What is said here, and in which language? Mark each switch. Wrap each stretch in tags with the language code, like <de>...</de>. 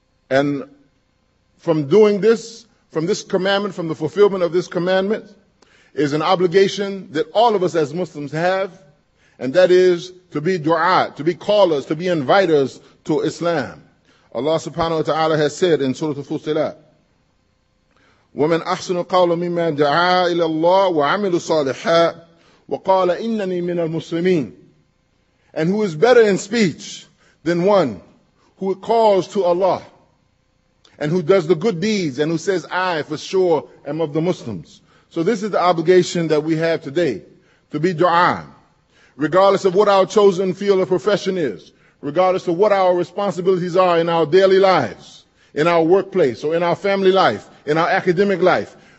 <en>And from doing this, from this commandment, from the fulfillment of this commandment, is an obligation that all of us as Muslims have, and that is to be du'at, to be callers, to be inviters to Islam. Allah subhanahu wa ta'ala has said in Surah Al-Fusilat,</en> <ar>وَمَنْ أَحْسَنُ قَوْلًا مِمَّنْ دَعَا إِلَى اللَّهِ وَعَمِلُ صَالِحًا وَقَالَ إِنَّنِي مِنَ الْمُسْلِمِينَ.</ar> <en>And who is better in speech than one who calls to Allah and who does the good deeds and who says, I for sure am of the Muslims. So this is the obligation that we have today, to be du'a, regardless of what our chosen field of profession is, regardless of what our responsibilities are in our daily lives, in our workplace, or in our family life, in our academic life.</en>